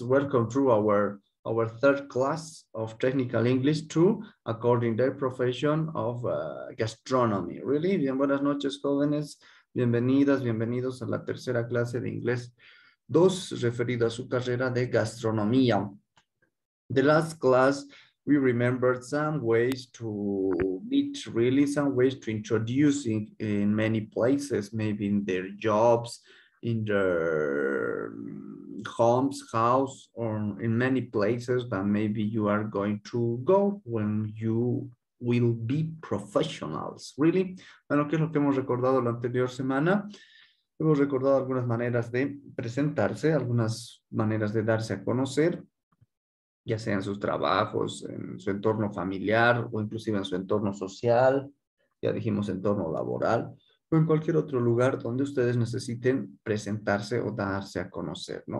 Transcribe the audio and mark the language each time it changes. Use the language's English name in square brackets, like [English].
[English] Welcome to our third class of Technical English 2, according to their profession of gastronomy. Really? [Spanish] Bien, buenas noches, jóvenes. Bienvenidas, bienvenidos a la tercera clase de inglés 2, referido a su carrera de gastronomía. [English] The last class, we remembered some ways to meet, really, some ways to introduce in many places, maybe in their jobs, in their homes, house, or in many places that maybe you are going to go when you will be professionals, really. [Spanish] Bueno, ¿qué es lo que hemos recordado la anterior semana? Hemos recordado algunas maneras de presentarse, algunas maneras de darse a conocer, ya sea en sus trabajos, en su entorno familiar, o inclusive en su entorno social, ya dijimos entorno laboral, o en cualquier otro lugar donde ustedes necesiten presentarse o darse a conocer, ¿no?